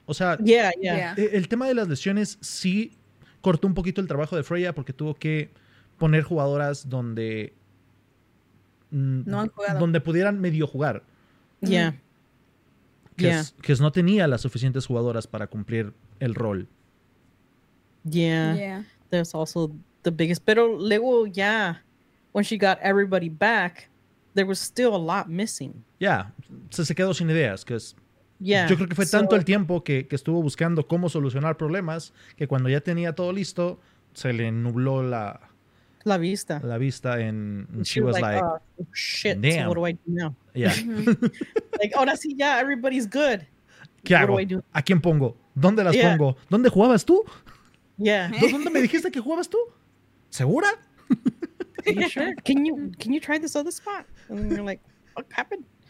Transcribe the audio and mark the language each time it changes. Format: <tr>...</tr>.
<es>O sea, el tema de las lesiones sí cortó un poquito el trabajo de Freya porque tuvo que poner jugadoras donde... No han jugado. Donde pudieran medio jugar. Que no tenía las suficientes jugadoras para cumplir el rol.</es> <en>That's also the biggest.</en> <es>Pero luego,</es> <en>when she got everybody back, there was still a lot missing.</en> <es>Se quedó sin ideas. Yo creo que fue tanto el tiempo que estuvo buscando cómo solucionar problemas que cuando ya tenía todo listo, se le nubló la vista. La vista en...</es> <en>She was like, Shit, damn. So what do I do now? Like,</en> <es>ahora sí,</es> <en>everybody's good.</en> <es>¿Qué hago?</es> <en>What do I do?</en> <es>¿A quién pongo? ¿Dónde las pongo? ¿Dónde jugabas tú? ¿Dónde me dijiste que jugabas tú? ¿Segura?</es> <en>can you try this other spot? And you're like, what happened?</en>